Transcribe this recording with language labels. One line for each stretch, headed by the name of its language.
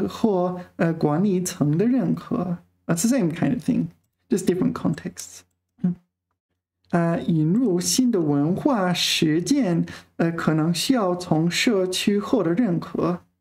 Chinese: 在工作中提出创新想法可能需要得到同事或管理层的认可.
English: That's the same kind of thing, just different contexts.
Chinese: 引入新的文化实践可能需要从社区获得认可.